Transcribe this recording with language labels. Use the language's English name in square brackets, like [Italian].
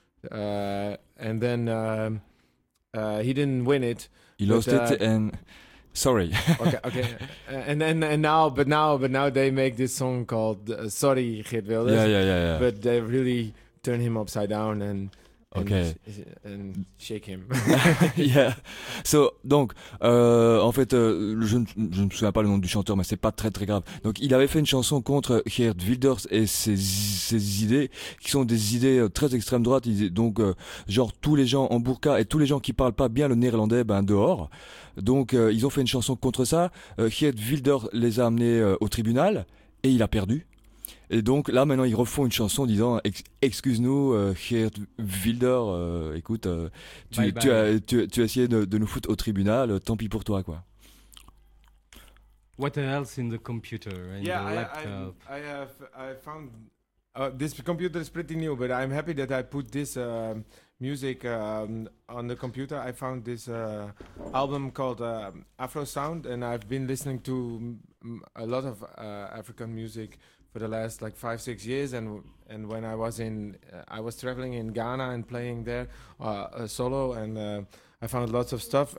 [English] And then he didn't win it. He lost it, and... Sorry. Okay. And now they make this song called Sorry, Geert Wilders. Yeah. But they really turn him upside down and okay. And shake him. Yeah. [French] So, donc, en fait, je ne me souviens pas le nom du chanteur, mais c'est pas très très grave. Donc, il avait fait une chanson contre Geert Wilders et ses idées, qui sont des idées très extrême droite. Donc, genre, tous les gens en burqa et tous les gens qui parlent pas bien le néerlandais, ben, dehors. Donc, ils ont fait une chanson contre ça. Geert Wilders les a amenés au tribunal et il a perdu. Et donc là maintenant ils refont une chanson disant excuse-nous Geert Wilders, écoute tu as essayé de nous foutre au tribunal, tant pis pour toi quoi. [English] What else in the computer in yeah, the I, laptop? I found this computer is pretty new, but I'm happy that I put this music on the computer. I found this album called Afro Sound, and I've been listening to a lot of African music for the last like 5-6 years, and when I was in I was traveling in Ghana and playing there solo, and I found lots of stuff.